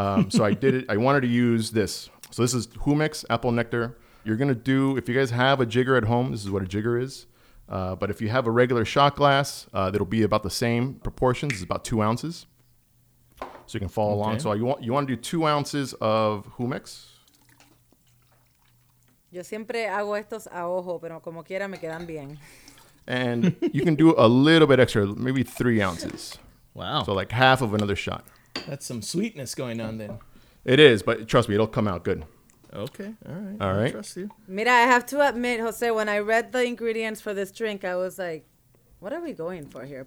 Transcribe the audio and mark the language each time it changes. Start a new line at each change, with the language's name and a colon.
English: So I did it. I wanted to use this. So this is humex, apple nectar. You're going to do, if you guys have a jigger at home, this is what a jigger is. But if you have a regular shot glass, it'll be about the same proportions. It's about 2 ounces. So you can follow along. So you want to do 2 ounces of humex.
Spanish: Yo siempre hago estos a ojo, pero como quiera me quedan bien.
English: And you can do a little bit extra, maybe 3 ounces. Wow. So like half of another shot. That's some sweetness going on then. It is, but trust me, it'll come out good. Okay. All right. Trust you. Mira, I have to admit, Jose, when I read the ingredients for this drink, I was like, what are we going for here?